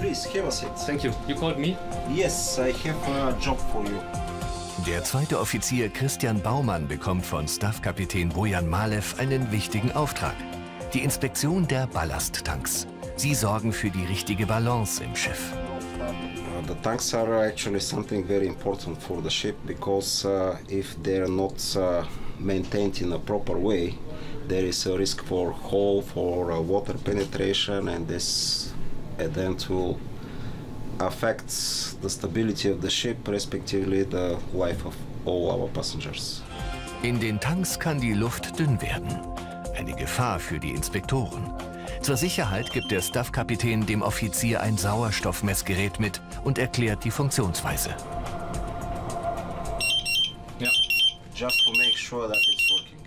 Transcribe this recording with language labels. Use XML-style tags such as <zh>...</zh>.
<en>Please, have a seat. Thank you. You called me? Yes, I have a job for you.</en> <de>Der zweite Offizier Christian Baumann bekommt von Staffkapitän Bojan Malew einen wichtigen Auftrag. Die Inspektion der Ballasttanks. Sie sorgen für die richtige Balance im Schiff.</de> <en>The tanks are actually something very important for the ship, because if they're not maintained in a proper way, there is a risk for hole, for water penetration, and this event will affects the stability of the ship, respectively the life of all our passengers.</en> <de>In den Tanks kann die Luft dünn werden. Eine Gefahr für die Inspektoren. Zur Sicherheit gibt der Staffkapitän dem Offizier ein Sauerstoffmessgerät mit und erklärt die Funktionsweise.</de> <en>Ja. Just to make sure that it's working.</en>